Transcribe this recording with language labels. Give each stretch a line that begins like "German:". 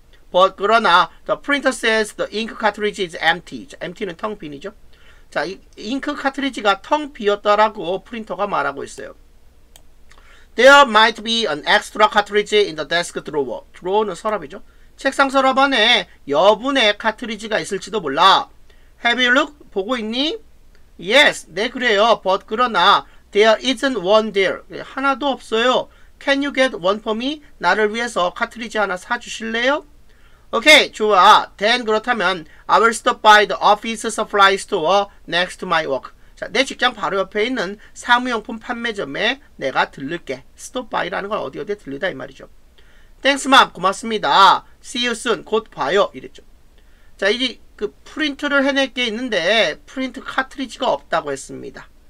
English: But 그러나 the printer says the ink cartridge is empty.
Korean: Empty는 텅 빈이죠. 자, 잉크 카트리지가 텅 비었다라고 프린터가 말하고 있어요.
English: There might be an extra cartridge in the desk drawer.
Korean: Drawer는 서랍이죠. 책상 서랍 안에 여분의 카트리지가 있을지도 몰라.
English: Have you looked?
Korean: 보고 있니?
English: Yes.
Korean: 네, 그래요.
English: But 그러나 there isn't one there.
Korean: 하나도 없어요.
English: Can you get one for me?
Korean: 나를 위해서 카트리지 하나 사주실래요?
English: Okay, 좋아. Then
Korean: 그렇다면
English: I will stop by the office supply store next to my work.
Korean: 자, 내 직장 바로 옆에 있는 사무용품 판매점에 내가 들를게. Stop by라는 건 어디 어디에 들르다 이 말이죠.
English: Thanks, Mom.
Korean: 고맙습니다.
English: See you soon.
Korean: 곧 봐요. 이랬죠. 자, 이제 그 프린트를 해낼 게 있는데 프린트 카트리지가 없다고 했습니다.